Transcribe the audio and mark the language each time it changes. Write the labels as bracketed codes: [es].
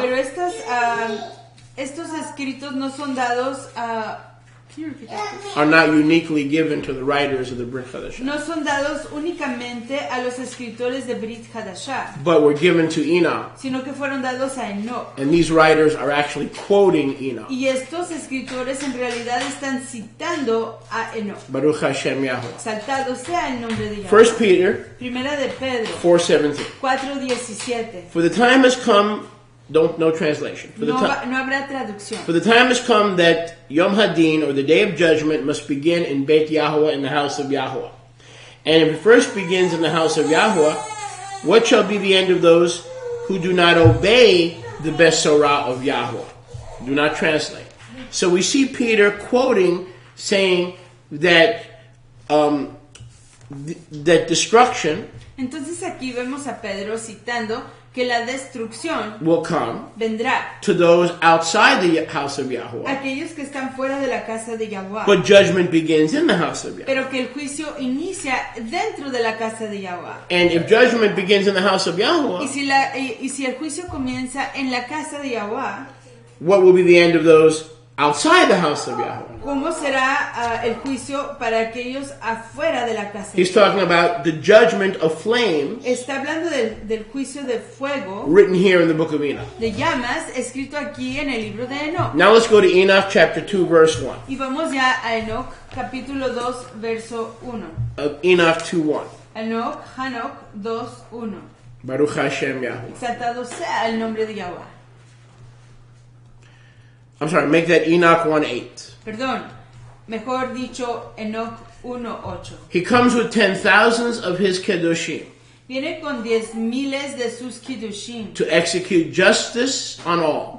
[es] Pero estas, estos escritos no son dados a... [en] Are not uniquely given to the writers of the Brit Hadashah. [es] No son dados únicamente a los escritores de Brit Hadashah. [en] But were given to Enoch. [es] Sino que fueron dados a Enoch. [en] And these writers are actually quoting Enoch. [es] Y estos escritores en realidad están citando a Enoch. [he] Baruch Hashem Yahweh. [es] Saltado sea el nombre de Yahweh. [en] First Peter. [es] Primera de Pedro. [en] 4:17. For the time has come. Don't no translation. For the [es] no habrá traducción. [en] For the time has come that Yom Hadin, or the Day of Judgment, must begin in Beit Yahuwah, in the house of Yahuwah. And if it first begins in the house of Yahuwah, what shall be the end of those who do not obey the Besorah of Yahuwah? Do not translate. So we see Peter quoting, saying that that destruction. [es] Entonces aquí vemos a Pedro citando que la destrucción [en] will come [es] vendrá [en] to those outside the house of Yahuwah. [es] Aquellos que están fuera de la casa de Yahuwah. [en] But judgment begins in the house of Yahuwah. [es] Pero que el juicio inicia dentro de la casa de Yahuwah. [en] And if judgment begins in the house of Yahuwah, [es] y si el juicio comienza en la casa de Yahuwah, [en] what will be the end of those outside the house of Yahuwah? [es] ¿Cómo será el juicio para aquellos afuera de la casa? [en] He's talking about the judgment of flames. [es] Está hablando del juicio de fuego. [en] Written here in the book of Enoch. [es] De llamas, escrito aquí en el libro de Enoch. [en] Now let's go to Enoch chapter 2 verse 1. [es] Y vamos ya a Enoch capítulo 2 verso 1. [en] Of Enoch 2:1. [es] Enoch 2:1. [he] Baruch Hashem Yahuwah. [es] Exaltado sea el nombre de Yahuwah. [en] I'm sorry, make that Enoch 1:8. [es] Perdón, mejor dicho, Enoch 1:8. [en] He comes with 10,000s of his kedushim. [es] Viene con 10,000 de sus kedushim. [en] To execute justice on all.